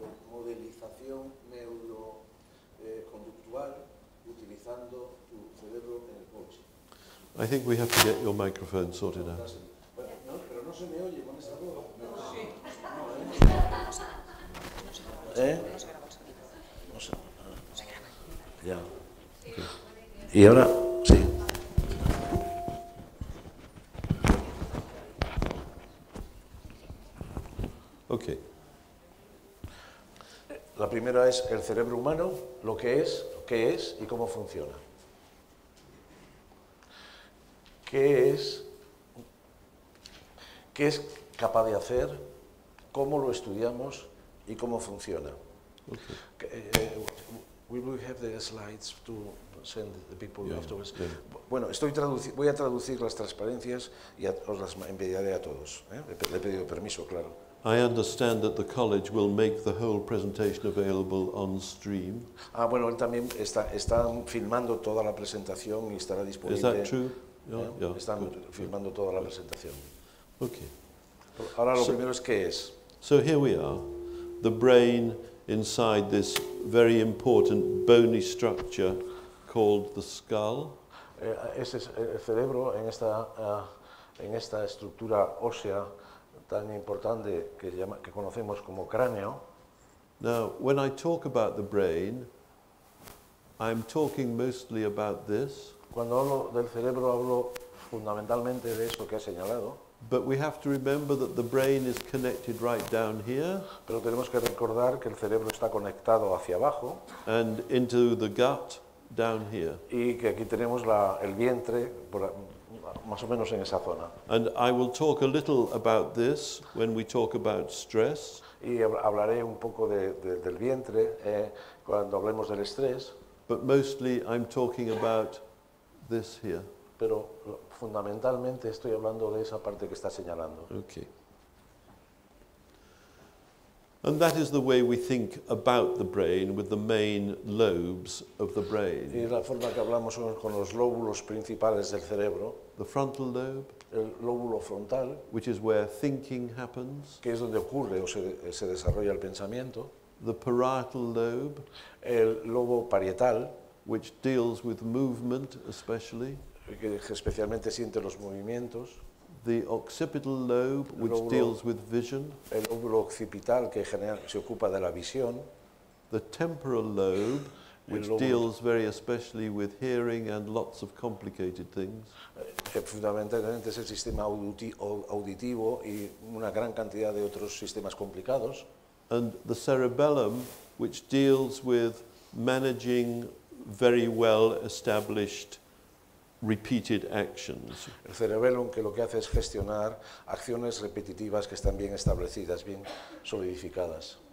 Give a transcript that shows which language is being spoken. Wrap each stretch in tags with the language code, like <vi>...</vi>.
<es>Modelización neuro-conductual utilizando tu cerebro en el coche.</es> <en>I think we have to get your microphone sorted out.</en> <es>Bueno, no, pero no se me oye con esta voz. No, sí. No, ¿eh? No se graba. Ya. Y ahora, sí. Okay. La primera es el cerebro humano, lo que es, qué es y cómo funciona. ¿Qué es qué es capaz de hacer, cómo lo estudiamos y cómo funciona. Okay.</es> <en>Will we have the slides to send the people afterwards?</en> <es>Bueno, voy a traducir las transparencias y os las enviaré a todos. Le he pedido permiso, claro.</es> <en>I understand that the college will make the whole presentation available on stream.</en> <es>Ah, bueno, él también está filmando toda la presentación y estará disponible.</es> <en>Is that true?</en> <es>Filmando toda la presentación. Okay. Ahora lo primero es qué es.</es> <en>So here we are, the brain inside this very important bony structure called the skull.</en> <es>Ese es el cerebro en esta estructura ósea tan importante que conocemos como cráneo.</es> <en>Now, when I talk about the brain, I'm talking mostly about this.</en> <es>Cuando hablo del cerebro, hablo fundamentalmente de eso que ha señalado.</es> <en>But we have to remember that the brain is connected right down here.</en> <es>Pero tenemos que recordar que el cerebro está conectado hacia abajo.</es> <en>And into the gut down here.</en> <es>Y que aquí tenemos el vientre más o menos en esa zona.</es> <en>And I will talk a little about this when we talk about stress.</en> <es>Y hablaré un poco del vientre cuando hablemos del estrés.</es> <en>But mostly I'm talking about this here.</en> <es>Pero fundamentalmente estoy hablando de esa parte que está señalando. Okay.</es> <en>And that is the way we think about the brain with the main lobes of the brain.</en> <es>Y la forma que hablamos con los lóbulos principales del cerebro.</es> <en>The frontal lobe.</en> <es>El lóbulo frontal.</es> <en>Which is where thinking happens.</en> <es>Que es donde ocurre o se desarrolla el pensamiento.</es> <en>The parietal lobe.</en> <es>El lobo parietal.</es> <en>Which deals with movement especially.</en> <es>Que especialmente siente los movimientos.</es> <en>The occipital lobe, which deals with vision.</en> <es>El lóbulo occipital, que se ocupa de la visión.</es> <en>The temporal lobe, which deals very especially with hearing and lots of complicated things.</en> <es>Fundamentalmente es el sistema auditivo y una gran cantidad de otros sistemas complicados.</es> <en>And the cerebellum, which deals with managing very well established repeated actions.</en> <es>El cerebelo que lo que hace es gestionar acciones repetitivas que están bien establecidas, bien solidificadas.</es>